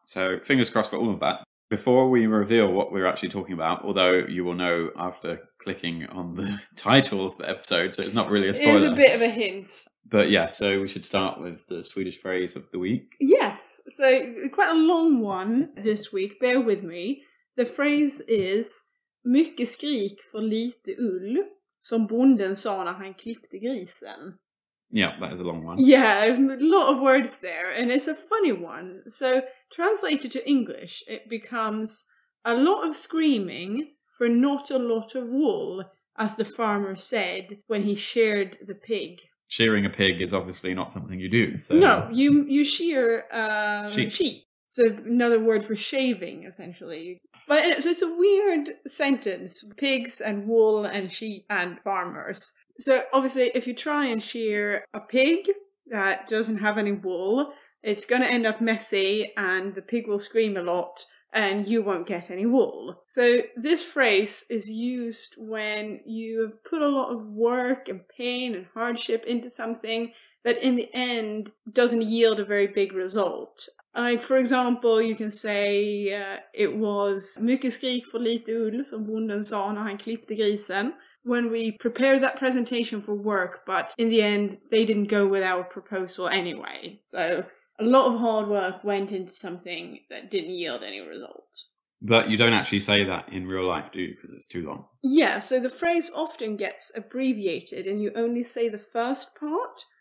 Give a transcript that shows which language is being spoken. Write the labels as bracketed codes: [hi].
[en] So fingers crossed for all of that. Before we reveal what we're actually talking about, although you will know after clicking on the title of the episode, so it's not really a spoiler. It is a bit of a hint. But yeah, so we should start with the Swedish phrase of the week. Yes, so quite a long one this week, bear with me. The phrase is [sv] mycket skrik för lite ull, som bonden sa när han klippte grisen. [en] Yeah, that is a long one. Yeah, a lot of words there, and it's a funny one. So translated to English, it becomes a lot of screaming for not a lot of wool, as the farmer said when he sheared the pig. Shearing a pig is obviously not something you do. So. No, you shear sheep. It's another word for shaving, essentially. But so it's a weird sentence, pigs and wool and sheep and farmers. So obviously, if you try and shear a pig that doesn't have any wool, it's going to end up messy and the pig will scream a lot and you won't get any wool. So this phrase is used when you have put a lot of work and pain and hardship into something that in the end doesn't yield a very big result. Like, for example, you can say it was [sv] mycket skrik för lite ull, som bonden sa när han klippte grisen. [en] When we prepared that presentation for work, but in the end, they didn't go with our proposal anyway. So a lot of hard work went into something that didn't yield any result. But you don't actually say that in real life, do you? Because it's too long. Yeah, so the phrase often gets abbreviated and you only say the first part.